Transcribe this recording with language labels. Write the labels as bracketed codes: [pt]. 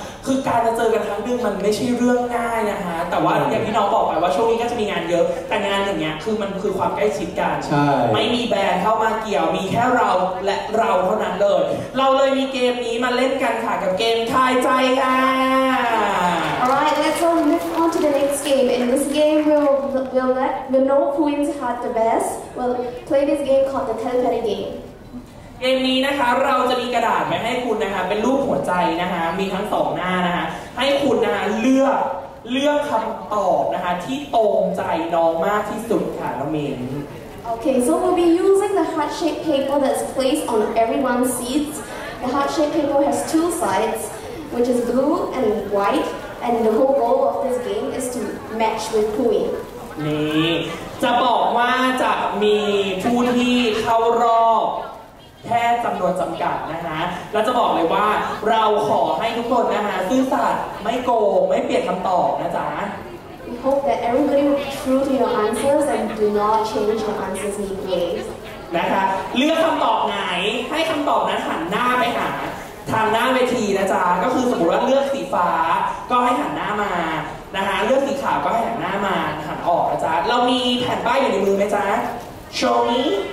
[th] คือการจะเจอกันครั้งนึงมันไม่ใช่เรื่องง่ายนะคะแต่ว่าอย่างที่น้องบอกไปว่าช่วงนี้ก็จะมีงานเยอะแต่งานอย่างเงี้ยคือมันคือความใกล้ชิดกันไม่มีแบรนด์เข้ามาเกี่ยวมีแค่เราและเราเท่านั้นเลยเราเลยมีเกมนี้มาเล่นกันค่ะกับเกมทายใจค่ะ [en] alright let's move on to the next game in this game we'll let the no points had the best we'll play this game called the telepathy game [th] เกมนี้นะคะเราจะมีกระดาษมาให้คุณนะคะเป็นรูปหัวใจนะคะมีทั้งสองหน้านะคะให้คุณนะคะเลือกคำตอบนะคะที่ตรงใจน้องมากที่สุดค่ะน้องมิ้น [en] โอเค so we'll be using the heart shaped paper that's placed on everyone's seats the heart shaped paper has two sides which is blue and white and the whole goal of this game is to match with Pui [th] นี่จะบอกว่าจะมีผู้ที่เข้ารอบแค่จำนวนจำกัดนะฮะแล้วจะบอกเลยว่าเราขอให้ทุกคนนะฮะซื่อสัตย์ไม่โกงไม่เปลี่ยนคำตอบนะจ๊ะ [en] We hope that everybody will be true to your answers and do not change your answers in any way [th] นะคะเลือกคำตอบไหนให้คำตอบนั้นหันหน้าไปหาทางหน้าเวทีนะจ๊ะก็คือสมมติว่าเลือกสีฟ้าก็ให้หันหน้ามานะฮะเลือกสีขาวก็ให้หันหน้ามาหันออกนะจ๊ะเรามีแผ่นป้ายอยู่ในมือไหมจ๊ะโชว์นี้